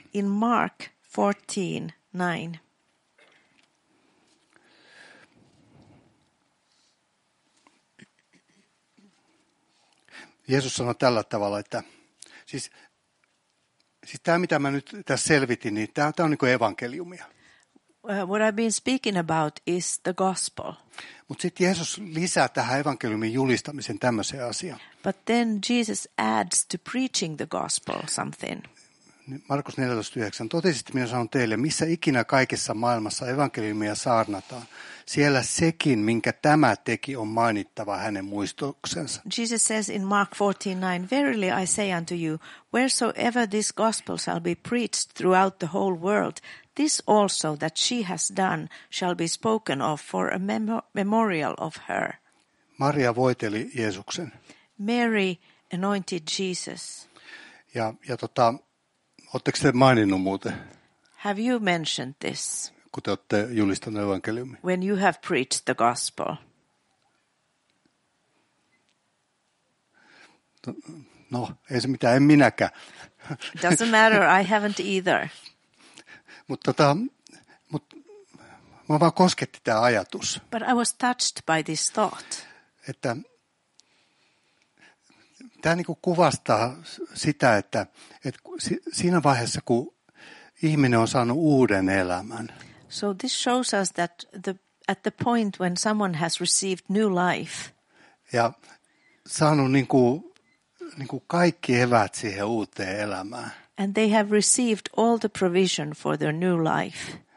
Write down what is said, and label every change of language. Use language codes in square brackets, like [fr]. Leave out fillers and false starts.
[en] In Mark 14:9. [fi] Jeesus sanoi tällä tavalla, että siis tämä, mitä mä nyt tässä selvitin, niin tämä on niin kuin evankeliumia. [en] What I've been speaking about is the gospel. [fi] Mut sitten Jeesus lisää tähän evankeliumin julistamisen tämmöisen asian. [en] But then Jesus adds to preaching the gospel something. [fi] Markus 14:9. Totisesti minä sanon teille, missä ikinä kaikessa maailmassa evankeliumia saarnataan, siellä sekin, minkä tämä teki, on mainittava hänen muistoksensa. [en] Jesus says in Mark 14:9, verily I say unto you, wheresoever this gospel shall be preached throughout the whole world, this also that she has done shall be spoken of for a memorial of her. [fi] Maria voiteli Jeesuksen. [en] Mary anointed Jesus. [fi] Ja oletteko te maininnut muuten? [en] Have you mentioned this? [fi] Kun te olette julistaneet evankeliumia. [en] When you have preached the gospel. [fi] No, ei se mitään, en minäkään. [en] Doesn't matter, I haven't either. [fi] Mutta vaan kosketti tämä ajatus. [en] But I was touched by this thought. [fi] Että tämä niinku kuvastaa sitä, että siinä vaiheessa, kun ihminen on saanut uuden elämän. [en] So this shows us that at the point when someone has received new life. [fi] Ja saanut niinku kaikki eväät siihen uuteen elämään. [en] And they have received all the provision for their new life.